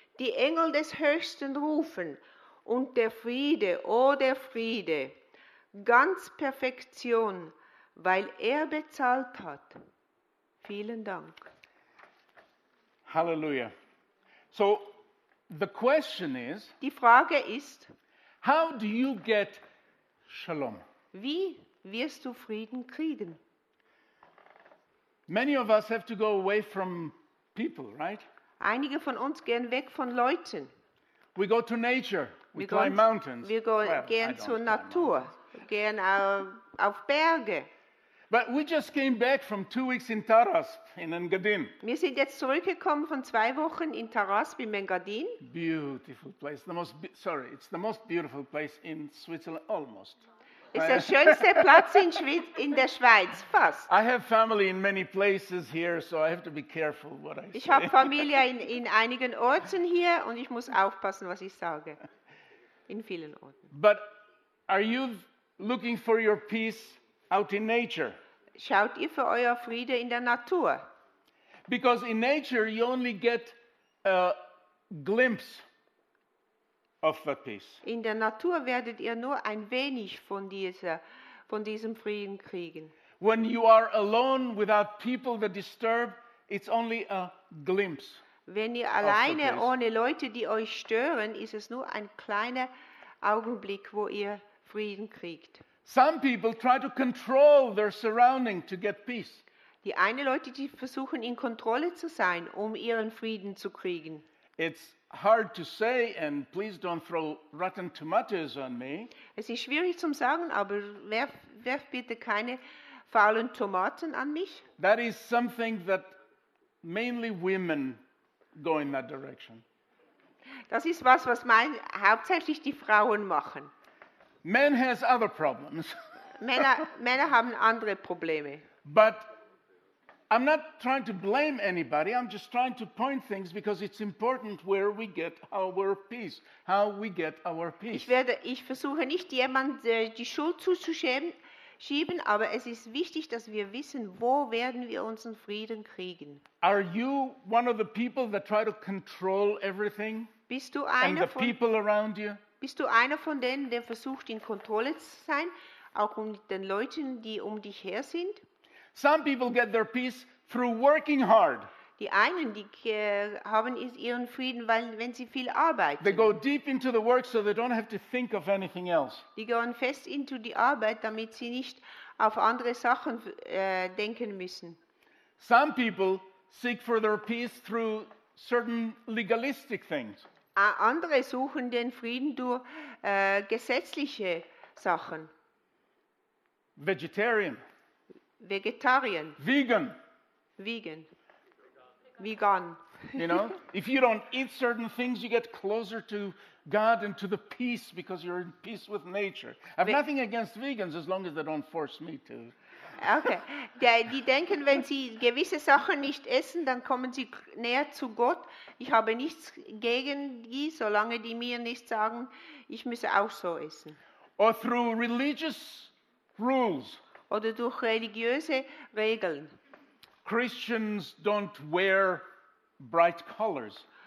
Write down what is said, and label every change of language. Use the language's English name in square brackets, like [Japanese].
[German] Die Engel des Höchsten rufen und der Friede, oh der Friede, ganz Perfektion, weil er bezahlt hat. Vielen Dank. [English] Halleluja. So, the question is, [German] die Frage ist, [English] how do you get Shalom? [German] Wie wirst du Frieden kriegen? [English] Many of us have to go away from people, right? [German] Einige von uns gehen weg von Leuten. [English] We go to nature. We climb mountains. [German] Wir gehen zur Natur. Gehen auf Berge. [English] But we just came back from 2 weeks in Tarasp in Engadin. [German] Wir sind jetzt zurückgekommen von 2 Wochen in Tarasp in Engadin. [English] Beautiful place. It's the most beautiful place in Switzerland, almost. [German] Es ist der schönste Platz in der Schweiz, fast. [English] I have family in many places here, so I have to be careful what I say. [German] Ich habe Familie in einigen Orten hier und ich muss aufpassen, was ich sage. In vielen Orten. [English] But are you looking for your peace out in nature? [German] Schaut ihr für euer Friede in der Natur? [English] Because in nature you only get a glimpse of the peace. [German] In der Natur werdet ihr nur ein wenig von diesem Frieden kriegen. [English] When you are alone without people that disturb, it's only a glimpse. [German] Wenn ihr alleine ohne Leute, die euch stören, ist es nur ein kleiner Augenblick, wo ihr Frieden kriegt. [English] Some people try to control their surrounding to get peace. [German] Die eine Leute, die versuchen in Kontrolle zu sein, um ihren Frieden zu kriegen. [English] It's hard to say, and please don't throw rotten tomatoes on me. [German] Es ist schwierig zu sagen, aber werf bitte keine faulen Tomaten an mich. [English] That is something that mainly women go in that direction. [German] Das ist was hauptsächlich die Frauen machen. [English] Men has other problems. [German] Männer haben andere Probleme. [English] But I'm not trying to blame anybody. I'm just trying to point things because it's important where we get our peace, how we get our peace. [German] Ich versuche nicht jemandem die Schuld zuzuschieben, aber es ist wichtig, dass wir wissen, wo werden wir unseren Frieden kriegen. [English] Are you one of the people that try to control everything? [German] Bist du einer von [English] the people around you? [German] Bist du einer von denen, der versucht, in Kontrolle zu sein, auch mit den Leuten, die um dich her sind? [English] Some people get their peace through working hard. [German] Die einen, die haben ihren Frieden, weil wenn sie viel arbeiten. [English] They go deep into the work, so they don't have to think of anything else. [German] Die gehen fest in die Arbeit, damit sie nicht auf andere Sachen denken müssen. [English] Some people seek for their peace through certain legalistic things. [German] Andere suchen den Frieden durch gesetzliche Sachen. [English] Vegetarian. Vegetarian. Vegan. Vegan. Vegan. You know, if you don't eat certain things, you get closer to God and to the peace because you're in peace with nature. I have nothing against vegans as long as they don't force me to. Okay. [German] Die denken, wenn sie gewisse Sachen nicht essen, dann kommen sie näher zu Gott. Ich habe nichts gegen die, solange die mir nicht sagen, ich müsse auch so essen. [English] Or through religious rules. [German] Oder durch religiöse Regeln. [English] Christians don't wear bright colors.